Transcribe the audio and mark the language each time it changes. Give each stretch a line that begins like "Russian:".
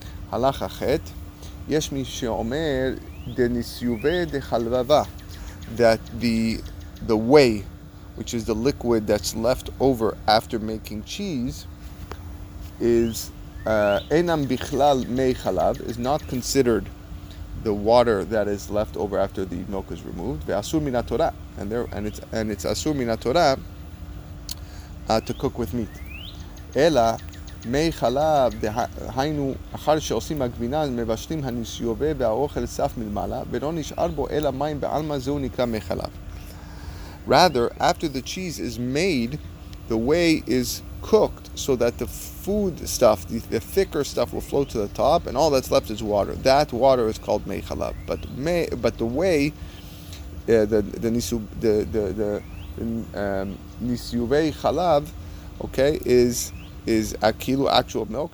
Hebrew: Halacha chet, yesh mi she'omer denisyuve dechalvava,
English: that the whey, which is the liquid that's left over after making cheese, is
Hebrew: enam bichlal mei chalav,
English: is not considered the water that is left over after the milk is removed.
Hebrew: Ve'asur min ha'Torah,
English: and it's asur min ha'Torah to cook with meat.
Hebrew: אלא מי חלב דהיינו אחר שעושים הגבינה מבשלים הנסיובה והאוכל סף מלמעלה ולא נשאר בו אלא מים בעלמה זהו נקרא מי חלב.
English: Rather, after the cheese is made, the whey is cooked so that the food stuff, the thicker stuff will flow to the top and all that's left is water. That water is called מי חלב. But the whey, נסיובי חלב, okay, is a kilo actual milk.